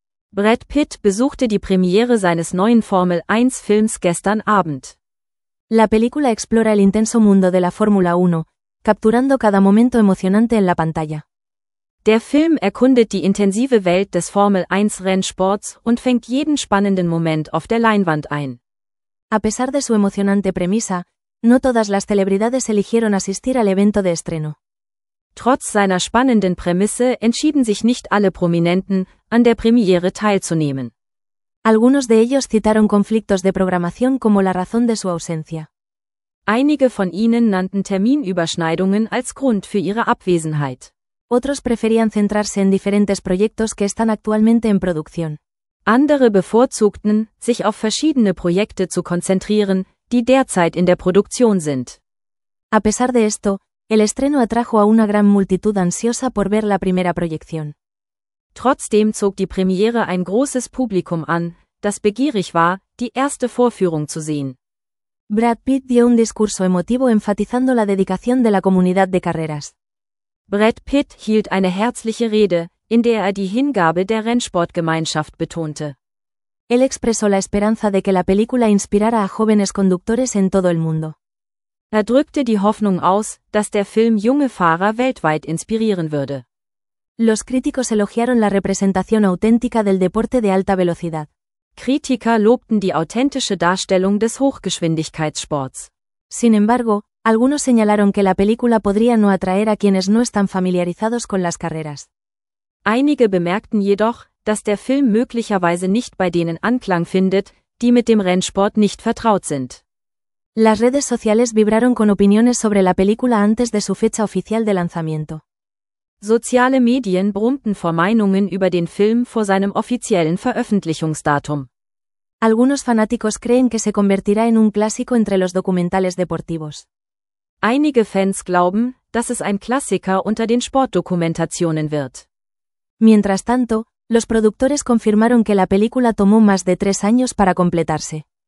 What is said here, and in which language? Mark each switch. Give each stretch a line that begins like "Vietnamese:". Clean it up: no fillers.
German: Brad Pitt besuchte die Premiere seines neuen Formel 1 Films gestern Abend.
Spanish: La película explora el intenso mundo de la Fórmula 1, capturando cada momento emocionante en la pantalla.
German: Der Film erkundet die intensive Welt des Formel-1-Rennsports und fängt jeden spannenden Moment auf der Leinwand ein.
Spanish: A pesar de su emocionante premisa, no todas las celebridades eligieron asistir al evento de estreno.
German: Trotz seiner spannenden Prämisse entschieden sich nicht alle Prominenten, an der Premiere teilzunehmen.
Spanish: Algunos de ellos citaron conflictos de programación como la razón de su ausencia.
German: Einige von ihnen nannten Terminüberschneidungen als Grund für ihre Abwesenheit.
Spanish: Otros preferían centrarse en diferentes proyectos que están actualmente en producción.
German: Andere bevorzugten, sich auf verschiedene Projekte zu konzentrieren, die derzeit in der Produktion sind.
Spanish: A pesar de esto, el estreno atrajo a una gran multitud ansiosa por ver la primera proyección.
German: Trotzdem zog die Premiere ein großes Publikum an, das begierig war, die erste Vorführung zu sehen.
Spanish: Brad Pitt dio un discurso emotivo enfatizando la dedicación de la comunidad de carreras.
German: Brad Pitt hielt eine herzliche Rede, in der er die Hingabe der Rennsportgemeinschaft betonte.
Spanish: Él expresó la esperanza de que la película inspirara a jóvenes conductores en todo el mundo.
German: Er drückte die Hoffnung aus, dass der Film junge Fahrer weltweit inspirieren würde.
Spanish: Los críticos elogiaron la representación auténtica del deporte de alta velocidad.
German: Kritiker lobten die authentische Darstellung des Hochgeschwindigkeitssports.
Spanish: Sin embargo, algunos señalaron que la película podría no atraer a quienes no están familiarizados con las carreras.
German: Einige bemerkten jedoch, dass der Film möglicherweise nicht bei denen Anklang findet, die mit dem Rennsport nicht vertraut sind.
Spanish: Las redes sociales vibraron con opiniones sobre la película antes de su fecha oficial de lanzamiento.
German: Soziale Medien brummten vor Meinungen über den Film vor seinem offiziellen Veröffentlichungsdatum.
Spanish: Algunos fanáticos creen que se convertirá en un clásico entre los documentales deportivos.
German: Einige Fans glauben, dass es ein Klassiker unter den Sportdokumentationen wird.
Spanish: Mientras tanto, los productores confirmaron que la película tomó más de 3 años para completarse.